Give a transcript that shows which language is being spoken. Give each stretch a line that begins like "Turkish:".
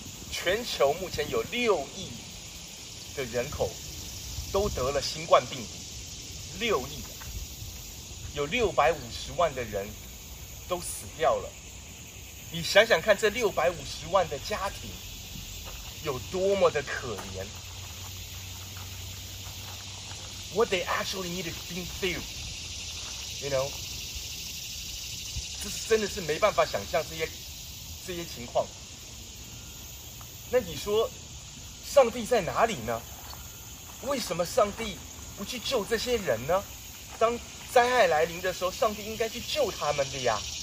Chinese: 全球目前有6亿的人口都得了新冠病毒，6亿，有650万的人都死掉了。你想想看，这650万的家庭有多么的可怜。
English: What they actually need is being filled, you know?
Chinese: 这真的是没办法想象这些情况。那你说，上帝在哪里呢？为什么上帝不去救这些人呢？当灾害来临的时候，上帝应该去救他们的呀。